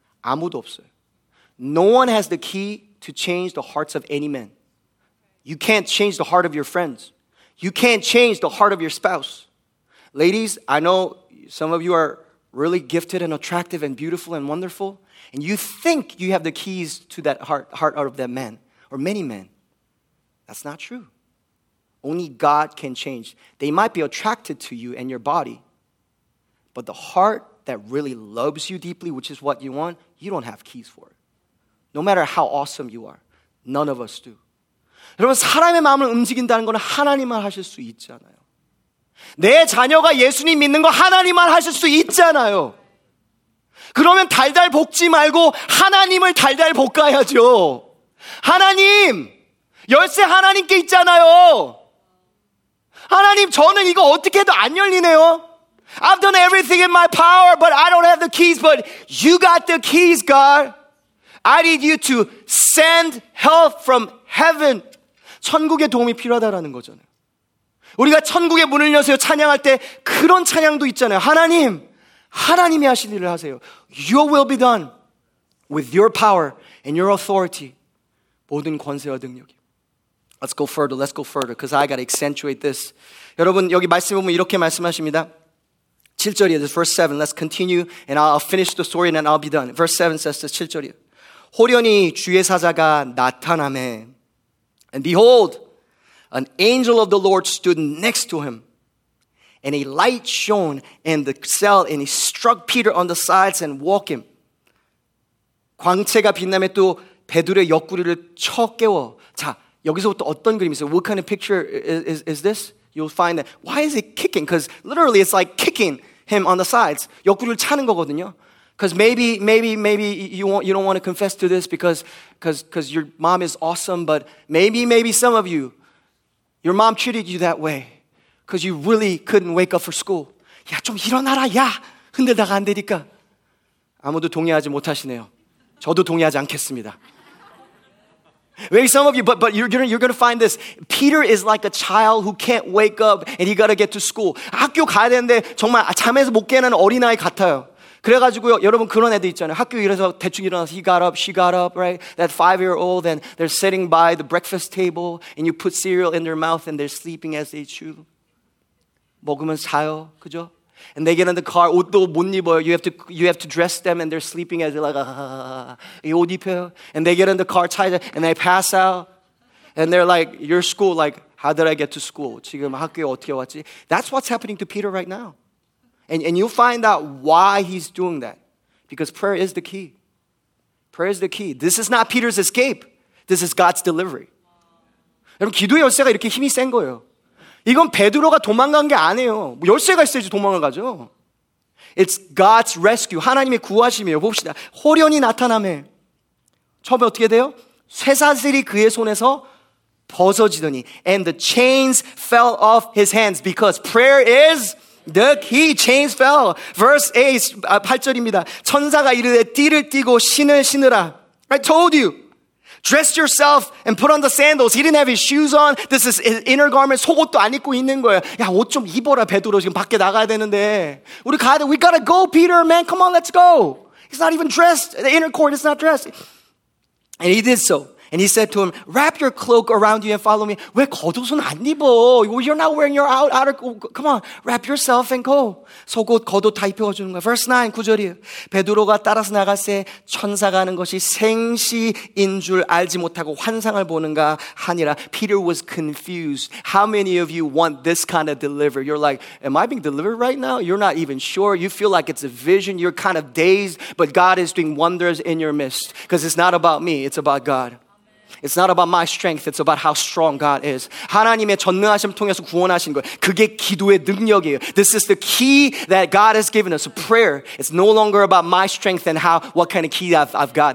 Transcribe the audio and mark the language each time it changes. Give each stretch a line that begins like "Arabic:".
Korean: 아무도 없어요.
English: No one has the key to change the hearts of any man. You can't change the heart of your friends. You can't change the heart of your spouse. Ladies, I know some of you are really gifted and attractive and beautiful and wonderful, and you think you have the keys to that heart of that man or many men. That's not true. Only God can change. They might be attracted to you and your body, but the heart that really loves you deeply, which is what you want, you don't have keys for it. No matter how awesome you are, none of us do.
Korean: 여러분, 사람의 마음을 움직인다는 건 하나님만 하실 수 있잖아요. 내 자녀가 예수님 믿는 거 하나님만 하실 수 있잖아요. 그러면 달달 볶지 말고 하나님을 달달 볶아야죠. 하나님, 열쇠 하나님께 있잖아요. 하나님, 저는 이거 어떻게 해도 안 열리네요.
English: I've done everything in my power, but I don't have the keys. But you got the keys, God. I need you to send help from heaven.
Korean: 천국의 도움이 필요하다라는 거잖아요. 우리가 천국의 문을 여세요 찬양할 때 그런 찬양도 있잖아요. 하나님, 하나님이 하실 일을 하세요.
English: Your will be done with your power and your authority.
Korean: 모든 권세와 능력이.
English: Let's go further, because I got to accentuate this.
Korean: 여러분, 여기 말씀 보면 이렇게 말씀하십니다. 7절이에요,
English: this is verse 7. Let's continue, and I'll finish the story, and then I'll be done. Verse 7 says this,
Korean: 7절이에요. 호련히 주의 사자가 나타나매.
English: And behold, an angel of the Lord stood next to him, and a light shone in the cell, and he struck Peter on the sides and woke him.
Korean: 광채가 빛나매 또 베드로의 옆구리를 쳐 깨워. 자, 여기서부터 어떤 그림이 있어요?
English: What kind of picture is this? You'll find that. Why is it kicking? Because literally it's like kicking him on the sides.
Korean: 옆구리를 차는 거거든요.
English: Because maybe you don't want to confess to this because your mom is awesome, but maybe some of you, your mom treated you that way because you really couldn't wake up for school.
Korean: 야, 좀 일어나라, 야! 흔들다가 안 되니까. 아무도 동의하지 못하시네요. 저도 동의하지 않겠습니다.
English: Maybe some of you, but you're going to find this. Peter is like a child who can't wake up and he got to get to school.
Korean: 학교 가야 되는데 정말 잠에서 못 깨는 어린아이 같아요. 그래가지고요, 여러분 그런 애들 있잖아요. 학교 이래서 대충 일어나서
English: he got up, she got up, right? That five-year-old and they're sitting by the breakfast table and you put cereal in their mouth and they're sleeping as they chew.
Korean: 먹으면 자요, 그죠?
English: And they get in the car,
Korean: 옷도 못 입어요.
English: You have to dress them and they're sleeping as they're like, ah,
Korean: 이 옷 입혀요.
English: And they get in the car,
Korean: 차에서,
English: and they pass out. And they're like, your school, like, how did I get to school?
Korean: 지금 학교에 어떻게 왔지?
English: That's what's happening to Peter right now. And you'll find out why he's doing that. Because prayer is the key. Prayer is the key. This is not Peter's escape. This is God's delivery.
Korean: 여러분, 기도의 열쇠가 이렇게 힘이 센 거예요. 이건 베드로가 도망간 게 아니에요. 열쇠가 있어야지 도망을 가죠.
English: It's God's rescue.
Korean: 하나님의 구하심이에요. 봅시다. 호련이 나타나매. 처음에 어떻게 돼요? 쇠사슬이 그의 손에서 벗어지더니.
English: And the chains fell off his hands because prayer is the key. Chains fell. Verse 8,
Korean: 8절입니다. 천사가 이르되 띠를 띠고 신을 신으라.
English: I told you. Dress yourself and put on the sandals. He didn't have his shoes on. This is his inner garment.
Korean: 속옷도 안 입고 있는 거예요. 야, 옷 좀 입어라, 베드로. 지금 밖에 나가야 되는데. 우리 가야 돼.
English: We gotta go, Peter, man. Come on, let's go. He's not even dressed. The inner court is not dressed. And he did so. And he said to him, wrap your cloak around you and follow me.
Korean: 왜 겉옷은 안 입어?
English: You're not wearing your outer cloak. Come on, wrap yourself and go.
Korean: 속옷, 겉옷 다 입혀주는 거야.
English: Verse 9,
Korean: 9절이에요. 베드로가 따라서 나가세 천사가 하는 것이 생시인 줄 알지 못하고 환상을 보는가 하니라.
English: Peter was confused. How many of you want this kind of delivery? You're like, am I being delivered right now? You're not even sure. You feel like it's a vision. You're kind of dazed, but God is doing wonders in your midst. Because it's not about me, it's about God. It's not about my strength, it's about how strong God is.
Korean: 하나님의 전능하심 통해서 구원하신 거예요. 그게 기도의 능력이에요.
English: This is the key that God has given us, prayer. It's no longer about my strength and how, what kind of key I've got.